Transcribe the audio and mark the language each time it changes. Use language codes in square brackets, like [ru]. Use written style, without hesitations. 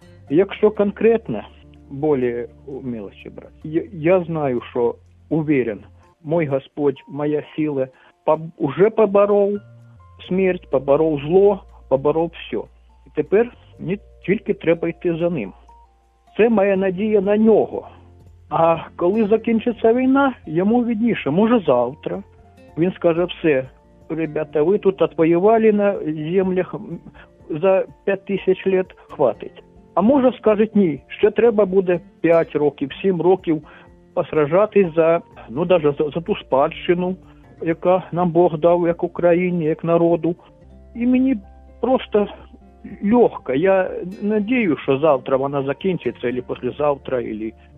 [uk] Якщо конкретно, більше мілочі брати, я знаю, що уверен, мій Господь, моя сила, вже поборов смерть, поборов зло, поборов все. І тепер мені тільки треба йти за ним. Це моя надія на нього. А коли закінчиться війна, йому видніше, може завтра, він скаже все. [ru] Ребята, ви тут отвоювали на землях за 5000 лет, хватить. [uk] А може скажуть ні, ще треба буде 5 років, 7 років посражатись за, ну, навіть за ту спадщину, яка нам Бог дав, як Україні, як народу. І мені просто легко. Я надію, що завтра вона закінчиться, або послезавтра, або